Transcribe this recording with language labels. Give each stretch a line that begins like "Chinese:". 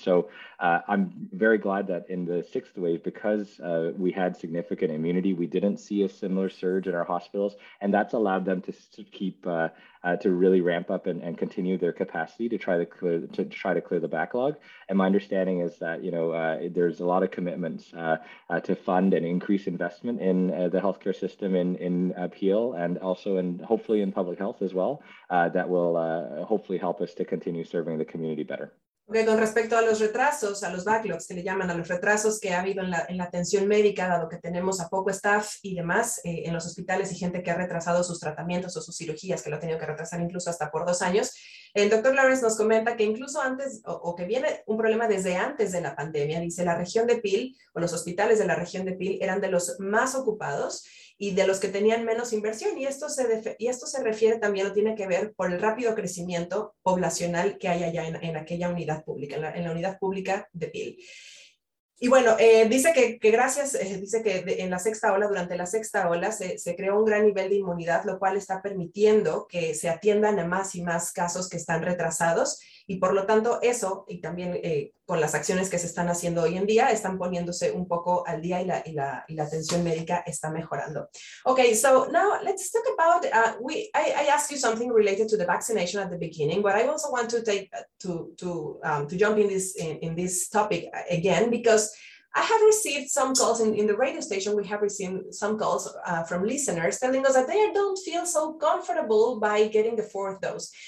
English: So I'm very glad that in the sixth wave, because we had significant immunity, we didn't see a similar surge in our hospitals, and that's allowed them to keep to really ramp up and continue their capacity to try to clear the backlog. And my understanding is that, you know, there's a lot of commitments to fund and increase investment in the healthcare system in Peel, and also in hopefully in public health as well, that will hopefully help us to continue serving the community better.
Spanish: Okay, con respecto a los retrasos, a los backlogs, que le llaman, a los retrasos que ha habido en la atención médica, dado que tenemos a poco staff y demás en los hospitales y gente que ha retrasado sus tratamientos o sus cirugías, que lo ha tenido que retrasar incluso hasta por 2 años, el doctor Lawrence nos comenta que incluso antes, o que viene un problema desde antes de la pandemia, dice la región de Peel, o los hospitales de la región de Peel, eran de los más ocupados y de los que tenían menos inversión, y esto se refiere también, o tiene que ver por el rápido crecimiento poblacional que hay allá en aquella unidad pública, en la unidad pública de Peel. Y bueno, dice que gracias, dice que en la sexta ola, durante la sexta ola, se creó un gran nivel de inmunidad, lo cual está permitiendo que se atiendan a más y más casos que están retrasados, y por lo tanto eso, y también con las acciones que se están haciendo hoy en día, están poniéndose un poco al día y la atención médica está mejorando.
English: Okay, so now let's talk about, I asked you something related to the vaccination at the beginning, but I also want to take to jump in this topic again, because I have received some calls in the radio station. We have received some calls from listeners telling us that they don't feel so comfortable by getting the fourth dose.